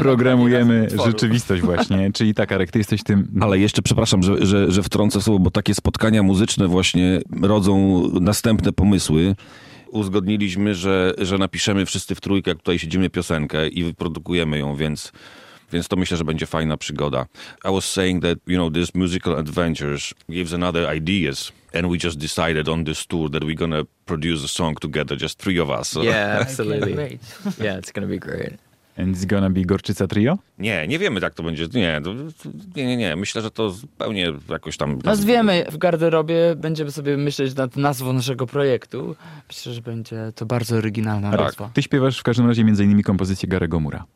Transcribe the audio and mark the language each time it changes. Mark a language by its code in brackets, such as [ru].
[pl] Programujemy rzeczywistość właśnie. Czyli tak, Arek, ty jesteś tym... Ale jeszcze przepraszam, że wtrącę słowo, bo takie spotkania muzyczne właśnie rodzą następne pomysły. Uzgodniliśmy, że napiszemy wszyscy w trójkę, jak tutaj siedzimy, piosenkę i wyprodukujemy ją, więc to myślę, że będzie fajna przygoda. [en] I was saying that, you know, this musical adventures gives another ideas and we just decided on this tour that we're gonna produce a song together, just three of us. Yeah, absolutely. Yeah, it's gonna be great. And it's gonna be Gorczyca Trio? [pl] Nie, nie wiemy, jak to będzie. Nie, nie. Myślę, że to zupełnie jakoś tam... Nazwiemy w garderobie, będziemy sobie myśleć nad nazwą naszego projektu. Myślę, że będzie to bardzo oryginalna nazwa. Tak. Ty śpiewasz w każdym razie między innymi kompozycję Garego Moora.